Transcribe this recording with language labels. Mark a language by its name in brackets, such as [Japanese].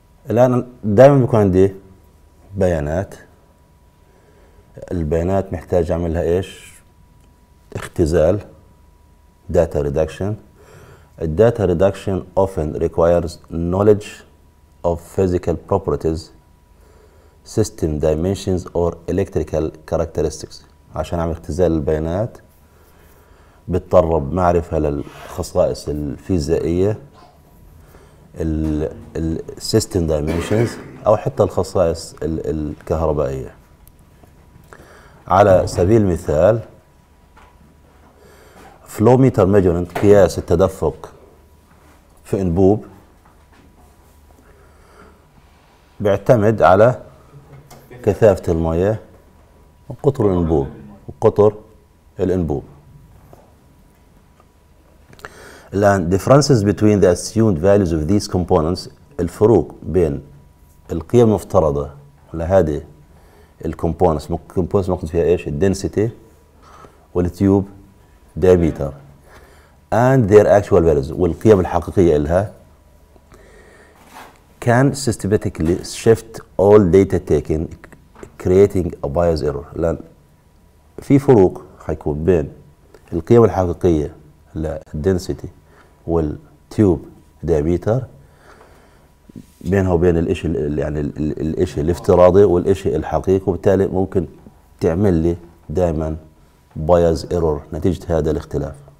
[Arabic] الآن دائما بيكون عندي بيانات, البيانات محتاج أعملها إيش؟ اختزال, data reduction. [English] Data reduction often requires knowledge of physical properties, system dimensions or electrical characteristics. [Arabic] عشان أعمل اختزال البيانات بتطرب معرفة للخصائص الفيزيائية, الـ system dimensions أو حتى الخصائص الكهربائية. على سبيل المثال flow meter measurement قياس التدفق في أنبوب بيعتمد على كثافة المية وقطر الأنبوب وقطر الأنبوب. [English] الآن differences between the assumed values of these components, [Arabic] الفروق بين القيم المفترضة لهذه الكومبوننتس, الكومبوننتس مقصود فيها ايش؟ الدنسيتي والتيوب دايميتر [English] and their actual values [Arabic] والقيم الحقيقية لها, [English] can systematically shift all data taken creating a bias error. [Arabic] الآن في فروق حيكون بين القيم الحقيقية للدنسيتي والتيوب دايميتر بينها وبين الاشي يعني الاشي الافتراضي والاشي الحقيقي, وبالتالي ممكن تعمل لي دائما بايز ايرور نتيجة هذا الاختلاف.